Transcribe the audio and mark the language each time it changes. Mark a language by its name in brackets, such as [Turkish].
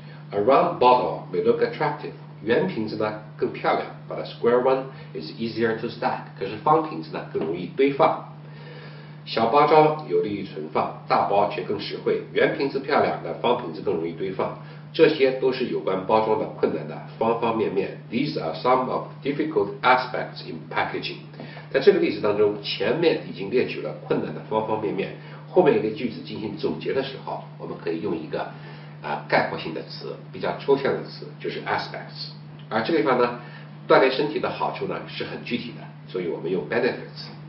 [English] A round bottle may look attractive， [Chinese] 圆瓶子呢更漂亮， [English] But a square one is easier to stack， [Chinese] 可是方瓶子呢更容易堆放。小包装有利于存放，大包却更实惠，圆瓶子漂亮，但方瓶子更容易堆放。这些都是有关包装的困难的方方面面。 [English] These are some of difficult aspects in packaging。 [Chinese] 在这个例子当中，前面已经列举了困难的方方面面，后面一个句子进行总结的时候，我们可以用一个概括性的词，比较抽象的词，就是 aspects。而这个地方呢，锻炼身体的好处呢是很具体的，所以我们用 benefits。